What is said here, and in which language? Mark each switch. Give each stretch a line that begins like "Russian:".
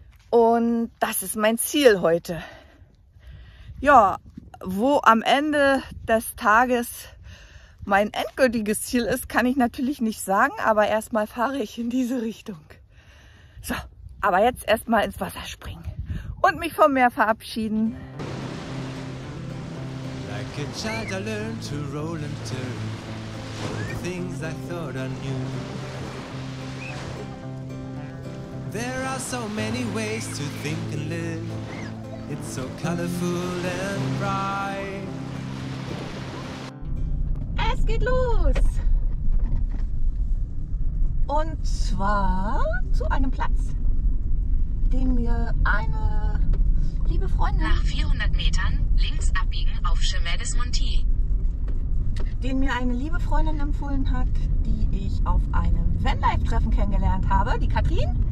German: Und das ist mein Ziel heute. Ja, wo am Ende des Tages mein endgültiges Ziel ist, kann ich natürlich nicht sagen, aber erstmal fahre ich in diese Richtung. So, aber jetzt erstmal ins Wasser springen und mich vom Meer verabschieden.
English: Like a child I learned to roll and turn the things I thought I knew. There are so many ways to think and live. It's so colorful and bright.
German: Es geht los! Und zwar zu einem Platz, den mir eine liebe Freundin, nach 400 Metern links abbiegen auf Chemin des Monti. Den mir eine liebe Freundin empfohlen hat, die ich auf einem Vanlife-Treffen kennengelernt habe, die Katrin.